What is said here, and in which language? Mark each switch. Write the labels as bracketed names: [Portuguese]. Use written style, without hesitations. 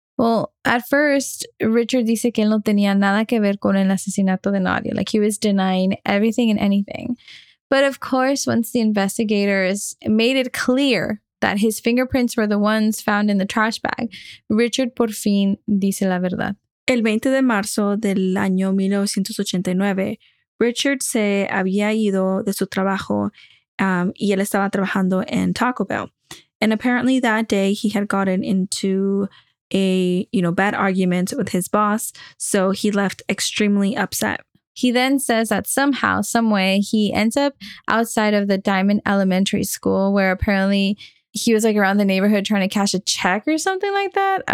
[English] Well, at first, [Spanish] Richard dice que él no tenía nada que ver con el asesinato de Nadia. [English] Like, he was denying everything and anything. But of course, once the investigators made it clear that his fingerprints were the ones found in the trash bag, Richard [Spanish] por fin dice la verdad. El 20 de marzo del año 1989, Richard se había ido de su trabajo y él estaba trabajando en Taco Bell. [English] And apparently that day he had gotten into a, you know, bad argument with his boss, so he left extremely upset. He then says that somehow, some way, he ends up outside of the Diamond Elementary School, where apparently he was like around the neighborhood trying to cash a check or something like that.